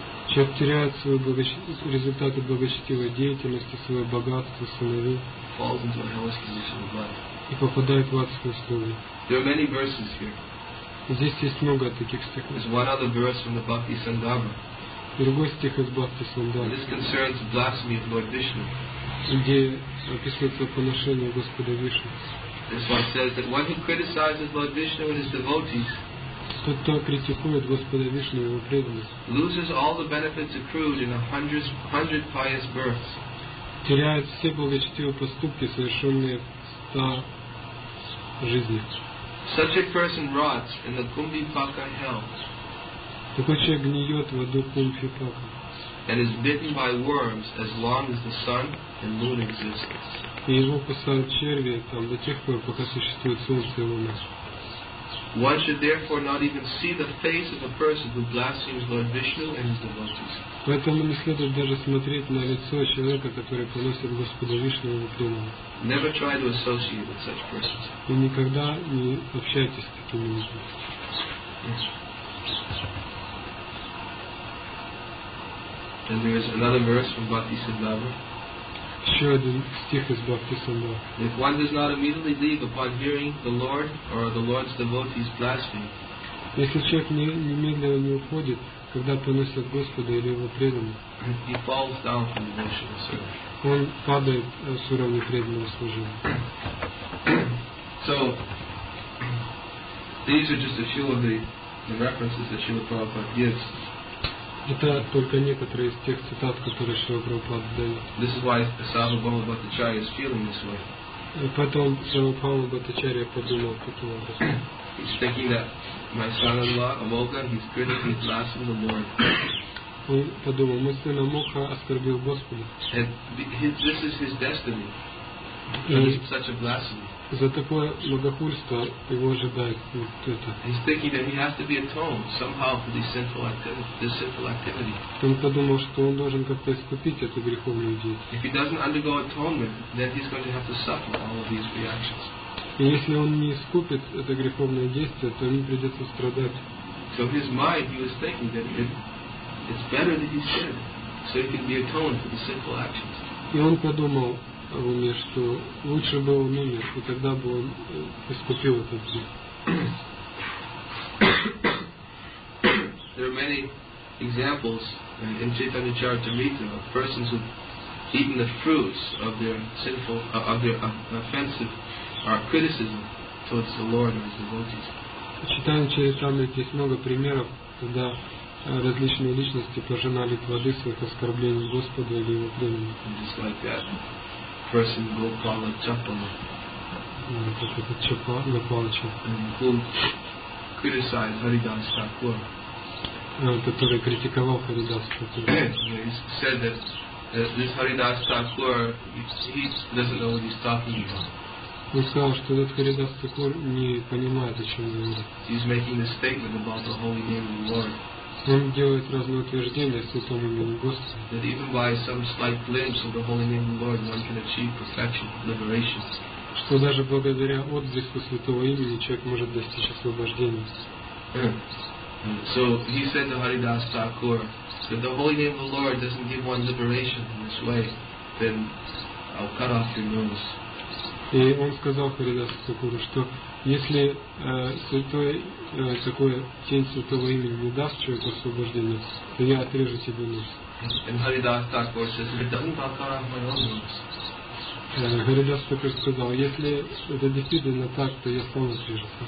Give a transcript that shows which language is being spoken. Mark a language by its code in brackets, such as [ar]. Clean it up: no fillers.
[ru] Человек теряет свои результаты благочестивой деятельности, свое богатство, сыновей. [en] Falls into a hellish condition of life. [ru] И попадает в адскую историю. [en] There are many verses here. [ru] Здесь есть много таких стихов. [en] There's one other verse from the Bhakti Sandarbha. [ru] Другой стих из Бхактисиддханты. [en] This concerns the blasphemy of Lord Vishnu. [ru] Где описывается поношение Господа Вишну. [en] This one says that one who criticizes Lord Vishnu and his devotees, [ru] тот, кто критикует Господа Вишну и его преданных, [en] loses all the benefits accrued in 100 pious births. [ru] Теряет все благочестивые поступки, совершенные в 100 жизнях. [en] Such a person rots in the Kumbhipaka hell. [ru] Такой человек гниет в аду Кумбхипака. [en] And is bitten by worms as long as the sun and moon exist. [ru] И его кусают черви там до тех пор, пока существует солнце и луна. [en] One should therefore not even see the face of a person who blasphemes Lord Vishnu and his devotees. [ru] Поэтому не следует даже смотреть на лицо человека, который поносит Господа Вишну и его преданных. [en] Never try to associate with such persons. [ru] И никогда не общайтесь с такими людьми. [en] And there is another verse from Bhaktisiddhava. [ru] Еще один стих из Бхактисиддхавы. [en] If one does not immediately leave upon hearing the Lord or the Lord's devotees blaspheme. [ru] Если человек немедленно не уходит, когда поносит Господа или его преданных, [en] he falls down from devotional service. [ru] Он падает с уровня преданного служения. [en] So these are just a few of the references that Srila Prabhupada gives. [ru] Это только некоторые из тех цитат, которые Шрила Прабхупада дает. [en] This is why Sāva Bhava Bhattacharya is feeling this way. [ru] Потом Шрила Прабхупада Бхаттачарья подумал таким образом. [en] He's thinking that my son-in-law Amokha, he's critically blaspheming the Lord. [ru] Он подумал, мой сын Амокха оскорбил Господа. [en] And this is his destiny. Such a blasphemy. [ru] За такое богохульство его ожидает вот это. [en] He's thinking that he has to be atoned somehow for this sinful activity. [ru] Он подумал, что он должен как-то искупить эту греховную деятельность. [en] If he doesn't undergo atonement, then he's going to have to suffer all of these reactions. [ru] И если он не искупит это греховное действие, то ему придется страдать. [en] So his mind, he was thinking that it's better that he sinned, so he can be atoned for the sinful actions. [ru] И он подумал в уме, что лучше бы он умер, и тогда бы он искупил этот грех. [en] There are many examples in Chaitanya Charitamrita of persons who have eaten the fruits of their sinful, of their offensive or criticism towards the Lord and his devotees. [ru] В Chaitanya Charitamrita есть много примеров, когда различные личности пожинали плоды своих оскорблений Господа или его преданных. [en] Person Gopala Chappala, whom criticized Haridas Thakur. [ru] Который критиковал Haridas Thakur. [en] He said that this Haridas Thakur, he doesn't know what he's talking about. [ru] Он сказал, что этот Haridas Thakur не понимает, о чем говорит. [en] He's making a statement about the holy name of the Lord. [ru] Он делает разные утверждения о Святом имени Господа. [en] That even by some slight glimpse of the holy name of the Lord, one can achieve perfection, liberation. [ru] Что даже благодаря отблеску Святого имени человек может достичь освобождения. [en] So he said to Haridas Thakur that the holy name of the Lord doesn't give one liberation in this way, then I'll cut off your nose. [ru] И он сказал Харидас Такуру, что если святой такое тень святого имени не даст человеку освобождение, то я отрежу тебе нос. Харидас Такур сказал, если это действительно так, то я сам отрежу.